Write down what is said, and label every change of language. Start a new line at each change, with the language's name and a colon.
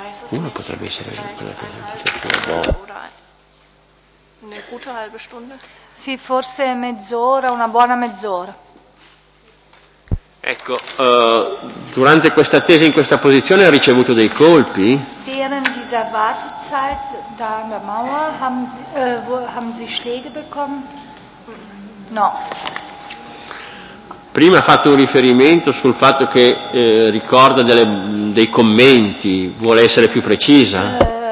Italian: Uno potrebbe essere quella che
German: eine gute halbe Stunde.
Italian: Sì, forse mezz'ora, una buona mezz'ora. Ecco, durante questa attesa in questa posizione ha ricevuto dei colpi?
German: Während dieser Wartezeit da an der Mauer haben sie Schläge bekommen?
Italian: No. Prima ha fatto un riferimento sul fatto che ricorda dei commenti, vuole essere più precisa?